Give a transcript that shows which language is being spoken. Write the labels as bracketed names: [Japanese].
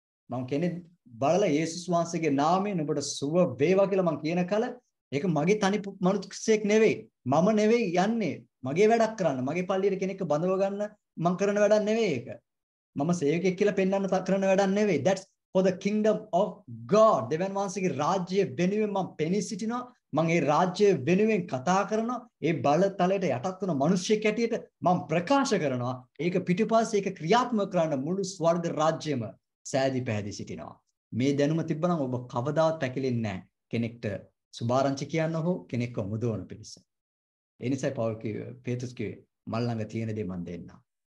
[Sinhala] මම කෙනෙක් බලලා යේසුස් වහන්සේගේ නාමයෙන් ඔබට සුව වේවා කියලා මම කියන කල ඒක මගේ තනි මනුස්සයෙක් නෙවෙයි. මම නෙවෙයි යන්නේ. මගේ වැඩක් කරන්න මගේ පල්ලියේ කෙනෙක්ව බඳව ගන්න මම කරන වැඩක් නෙවෙයි ඒක. මම සේවකයෙක් කියලා පෙන්වන්න කරන වැඩක් නෙවෙයි. [English] That's for the kingdom of God. [Sinhala] දෙවන් වහන්සේගේ රාජ්‍ය වෙනුවෙන් මම පෙනී සිටිනවා. මම ඒ රාජ්‍ය වෙනුවෙන් කතා කරනවා. ඒ බලතලයට යටත් වුණ මිනිස්සෙක් හැටියට මම ප්‍රකාශ කරනවා. ඒක පිටිපස්සේ ඒක ක්‍රියාත්මක කරන්න මුළු ස්වර්ග රාජ්‍යෙම සෑදී පැහැදි සිටිනවා. මේ දැනුම තිබ්බනම් ඔබ කවදාවත් පැකිලෙන්නේ නැහැ කෙනෙක්ට සුභාරංචි කියන්න හෝ කෙනෙක්ව මුදවන පිණිස. ඒ නිසායි පෞල් කිව්වේ පේතුස් කිව්වේ මල් ළඟ තියෙන දේ මන් දෙන්නා.